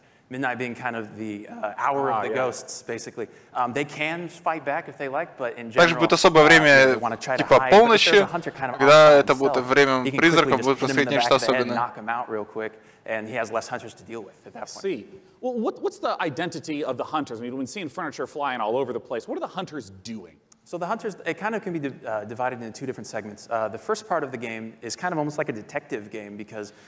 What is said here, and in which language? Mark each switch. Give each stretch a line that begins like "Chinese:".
English: Midnight being kind of the hour of the ghosts, basically. They can fight back if they like, but in general,
Russian: также будет особое время, типа полночи, когда это будет время призраков, будет последнее что особенное.
English: Knock him out real quick, and he has less hunters to deal with at that point. See, well, what's the identity of the hunters? I mean, we've been seeing furniture flying all over the place. What are the hunters doing? So the hunters, it kind of can be divided into two different segments. The first part of the game is kind of almost like a detective game because